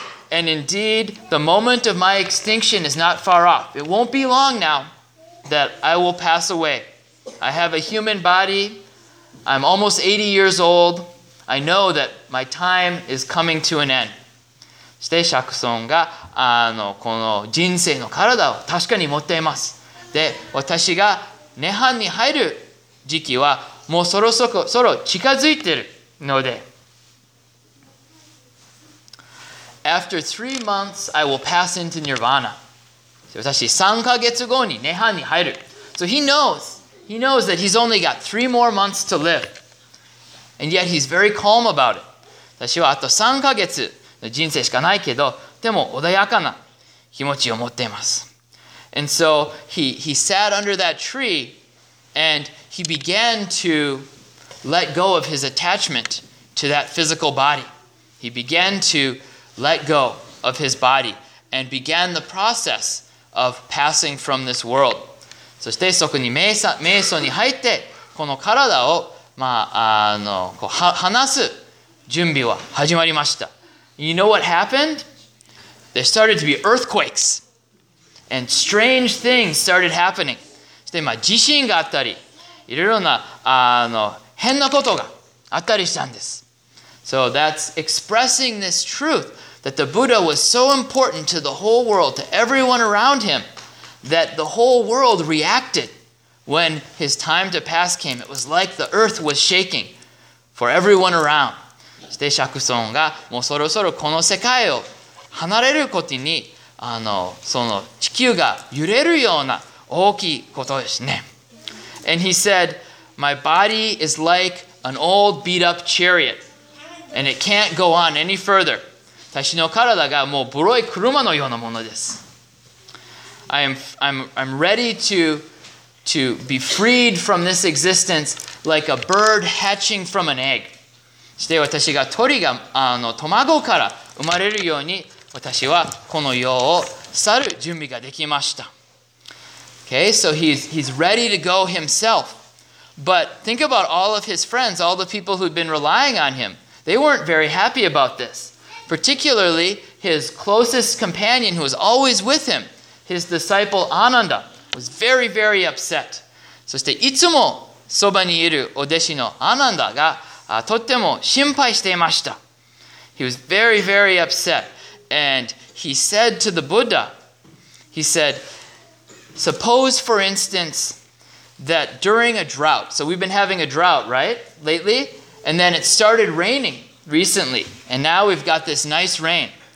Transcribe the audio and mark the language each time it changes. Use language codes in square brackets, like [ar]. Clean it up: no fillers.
[en] And indeed, the moment of my extinction is not far off. It won't be long now that I will pass away. I have a human body. I'm almost 80 years old. I know that my time is coming to an end. [ja] そして釈尊がこの人生の体を確かに持っています。で、私が涅槃に入る時期はもうそろそろ近づいているので。 [en] After 3 months, I will pass into nirvana. [ja] 私3ヶ月後に涅槃に入る。 [en] So he knows. He knows that he's only got 3 more months to live. And yet he's very calm about it. [ja] 私はあと3ヶ月の人生しかないけど、でも穏やかな気持ちを持っています。 [en] And so he sat under that tree and he began to let go of his attachment to that physical body. He began to let go of his body and began the process of passing from this world. [ja] そしてそこに瞑想に入ってこの体を、こう離す準備は始まりました。 [en] You know what happened? There started to be earthquakes and strange things started happening. [ja] そして地震があったりいろいろな変なことがあったりしたんです。 [en] So that's expressing this truth that the Buddha was so important to the whole world, to everyone around him. That the whole world reacted when his time to pass came. It was like the earth was shaking for everyone around. [ja] そして釈尊がもうそろそろこの世界を離れることに、その地球が揺れるような大きいことですね。 [en] And he said, My body is like an old beat up chariot, and it can't go on any further. [ja] 私の体がもうボロい車のようなものです。 [en] I'm ready to be freed from this existence like a bird hatching from an egg. [ja] して私が鳥が卵から生まれるように私はこの世を去る準備ができました。 [en] Okay, so he's ready to go himself. But think about all of his friends, all the people who'd been relying on him. They weren't very happy about this. Particularly his closest companion who was always with him. His disciple Ananda was very, very upset. [ja] そしていつもそばにいるお弟子のアナンダがとっても心配していました。 [en] He was very, very upset. And he said to the Buddha, he said, suppose for instance that during a drought, so we've been having a drought, right, lately? And then it started raining recently. And now we've got this nice rain.